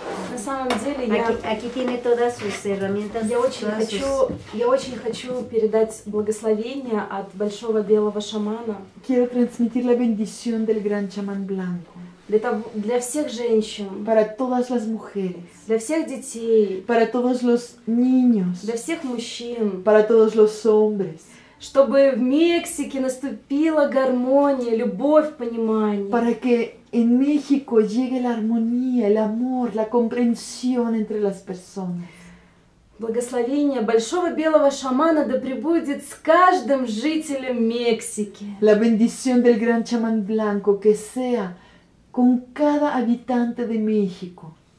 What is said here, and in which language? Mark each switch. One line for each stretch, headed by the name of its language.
Russian: На самом деле я очень хочу передать благословение от большого белого шамана.
Spanish: Quiero transmitir la bendición del gran chamán blanco.
Russian: Для всех женщин.
Spanish: Para todas las mujeres.
Russian: Для всех детей.
Spanish: Para todos los niños.
Russian: Для всех мужчин.
Spanish: Para todos los hombres.
Russian: Чтобы в Мексике наступила гармония, любовь, понимание.
Spanish: Para que en México llegue la armonía, el amor, la comprensión entre las personas.
Russian: Благословение большого белого шамана да пребудет с каждым жителем Мексики.
Spanish: La bendición del gran chamán blanco que sea con cada habitante de México.